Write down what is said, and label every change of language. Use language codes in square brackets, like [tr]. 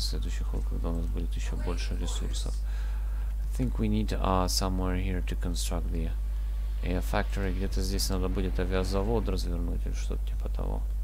[ru] Следующий ход, когда у нас будет еще больше ресурсов. [en] I think we need somewhere here to construct the air factory. [ru] Где-то здесь надо будет авиазавод развернуть или что-то типа того.